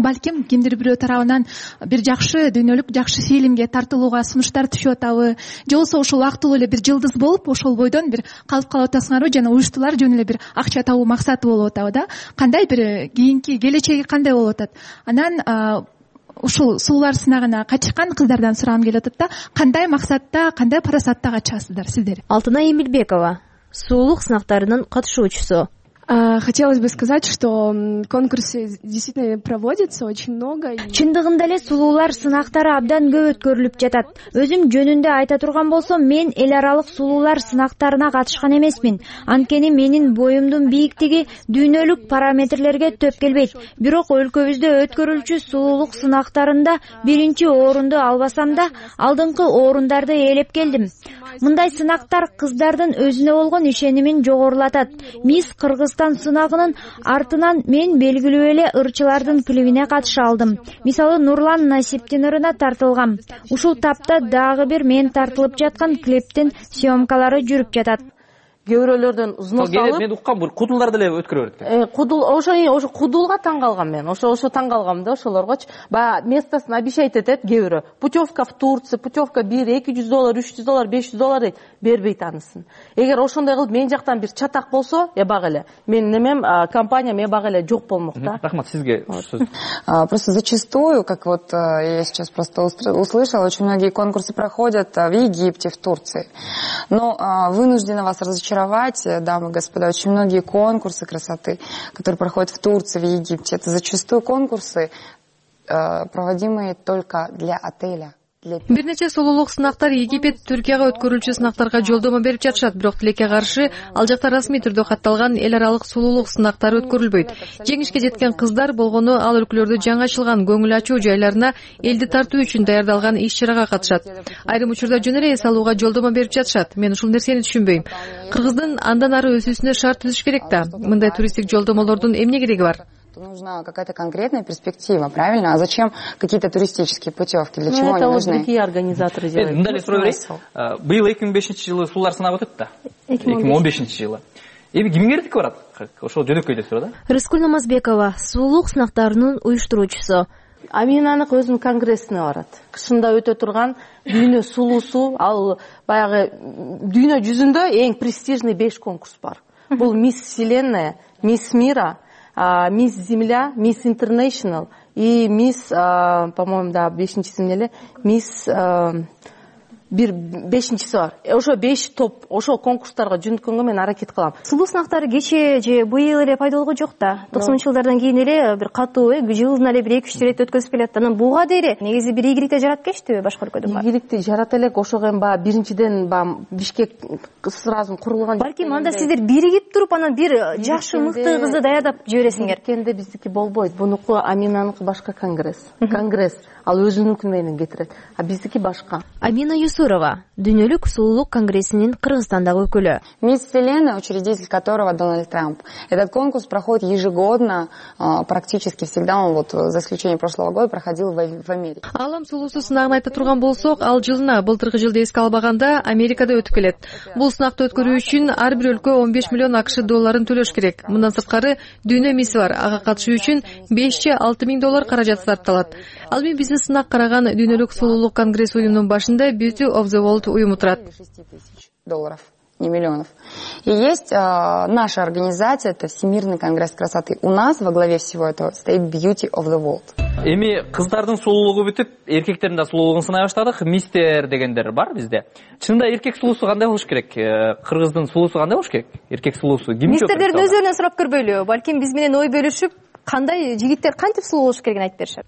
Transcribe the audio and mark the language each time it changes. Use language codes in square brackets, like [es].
[ky] Балким кимдир бирөө тарабынан бир жакшы дүйнөлүк жакшы фильмге тартылууга сунуштар түшүп атабы, же болбосо ошол убактылуу эле бир жылдыз болуп ошол бойдон бир калып калып атасыңарбы, жана уюштуруучулар жөн эле бир акча табуу максаты болуп атабы да? Кандай бир кийинки келечеги кандай болуп атат? Анан ушул сулуулар сынагына катышкан кыздардан сурагым келип атат да, кандай максатта, кандай парасатта катышасыздар сиздер? Алтынай Эмилбекова, сулуулук сынактарынын катышуучусу. [ru] Хотелось бы сказать, что конкурсы действительно проводятся очень много. [ky] Чындыгында эле сулуулар сынактары абдан көп өткөрүлүп жатат. Өзүм жөнүндө айта турган болсом, мен эл аралык сулуулар сынактарына катышкан эмесмин. Анткени менин боюмдун бийиктиги дүйнөлүк параметрлерге төп келбейт. Бирок өлкөбүздө өткөрүлчү сулуулук сынактарында биринчи орунду албасам да, алдыңкы орундарды ээлеп келдим. Мындай сынактар кыздардын өзүнө болгон ишенимин жогорулатат. Мисс Кыргызстан сынагынын артынан мен белгилүү эле ырчылардын клибине катыша алдым. Мисалы, Нурлан Насиптин ырына тартылгам. Ушул тапта дагы бир мен тартылып жаткан клиптин съемкалары жүрүп жатат. Кээ бирөөлөрдөн взнос алып, мен уккам, бул кудулдарды эле өткөрө берет экен. Кудул, ошо кудулга таң калгам мен. Ошо таң калгам да ошолоргочу. Баа местосун обещать этет кээ бирөө. [ru] Путевка в Турцию, [ky] путевка $1,200, $300, $500 дейт. Бербейт анысын. Эгер ошондой кылып мен жактан бир чатак болсо, эбак эле. Менин немем, компаниям эбак эле жок болмок да. Рахмат сизге. Просто зачастую, как вот я сейчас просто услышала, очень многие конкурсы проходят в Египте, в Турции. Но вынуждена вас разочаровать. разочаровать, дамы и господа, очень многие конкурсы красоты, которые проходят в Турции, в Египте, это зачастую конкурсы, проводимые только для отеля. Бир нече сулуулук сынактар Египет, Түркияга өткөрүлчү сынактарга жолдомо берип жатышат, бирок тилекке каршы ал жакта расмий түрдө катталган эл аралык сулуулук сынактары өткөрүлбөйт. Жеңишке жеткен кыздар болгону ал өлкөлөрдө жаңачылган көңүл ачуу жайларына элди тартуу үчүн даярдалган иш чарага катышат. Айрым учурда жөн эле эс алууга жолдомо берип жатышат. Мен ушул нерсени түшүнбөйм. Кыргыздын андан ары өсүүсүнө шарт түзүш керек да. Мындай туристтик жолдомолордун эмне кереги бар? [ru] Нужна какая-то конкретная перспектива, правильно? А зачем какие-то туристические путевки? Для чего это они нужны? Это вот другие организаторы делают. Ну, дали справедливость. [ky] Было 2005 жилы сулар сынап өтөт да. 2015 жилы. Эми ким керет барат? Ошол жөнөкөй деп сурап да. Рыскүл Намазбекова, сулуулук сынактарынын уюштуруучусу. Аминанык өзүнүн конгрессине барат. Кышында өтө турган дүйнө сулуусу, ал баягы дүйнө жүзүндө эң престижный 5 конкурс бар. Бул Мисс Вселенная, Мисс Мира, Мисс Земля, Мисс Интернешнл и Мисс, [ru] по-моему, [ky] да, бешинчиси эле, Мисс, бир бешинчиси бар. Ошо 5 топ, ошо конкурстарга жүнөткөнгө мен аракет кылам. Сулуу сынактары кечээ же быйыл эле пайдалуу жок да. 90-жылдардан кийин эле бир катуу, жылына эле 1-2 рет өткөзүп келет. Анан буга дейли негизи бир ийгиликти жаратып кечтиби башка өлкөдөн барып? Ийгиликти жарата элек, ошого эми баягы биринчиден баягы Бишкек сразу курулган. Балким анда сиздер биригип туруп, анан бир жакшы мыкты кызды даярдап жибересиңер. Бишкекте биздики болбойт. Бунуку Аминанынкы башка конгресс. Конгресс ал өзүнүнкү менен кетирет. А биздики башка. Амина Юсурова, дүйнөлүк сулуулук конгрессинин Кыргызстандагы өкүлү. [ru] Мисс Вселенная, учредитель которого Дональд Трамп. Этот конкурс проходит ежегодно, практически всегда, он вот за исключением прошлого года проходил в Америке. [ky] Алам сулуусу сынагын айта турган болсок, ал жылына, былтыркы жылды эске албаганда, Америкада өтүп келет. Бул сынакты өткөрүү үчүн ар бир өлкө 15 миллион АКШ долларын төлөш керек. Мындан сырткары дүйнө мисси бар, ага катышуу үчүн 5-6 000 доллар каражат сарпталат. Ал эми биздин сынак караган дүйнөлүк сулуулук конгресс уюмунун башында Beauty of the World уюму турат. [ru] Долларов, не миллионов. И есть наша организация, это Всемирный конгресс красоты. У нас во главе всего этого стоит Beauty of the World. [ky] Эми кыздардын сулуулугу бүтүп, эркектердин да сулуулугун сынай баштадык. Мистер дегендер бар бизде. Чынында эркек сулуусу кандай болуш керек? Кыргыздын сулуусу кандай болуш керек? Эркек сулуусу ким? Мистердерди өзүнөн сурап көрбөйлү. Балким биз менен ой бөлүшүп, кандай жигиттер кантип сулуу болуш керегин айтып беришет.